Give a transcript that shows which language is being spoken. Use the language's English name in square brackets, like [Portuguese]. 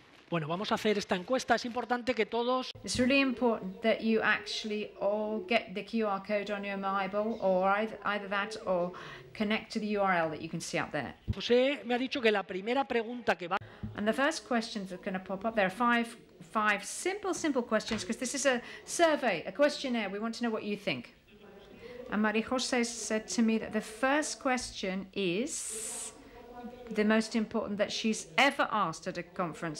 [Spanish] Bueno, vamos a hacer esta encuesta. Es importante que todos... [English] It's really important that you actually all get the QR code on your mobile, or either that or connect to the URL that you can see up there. [Spanish] José me ha dicho que la primera pregunta que va... [English] And the first questions are going to pop up. There are five simple questions, because this is a survey, a questionnaire. We want to know what you think. And Marie José said to me that the first question is the most important that she's ever asked at a conference.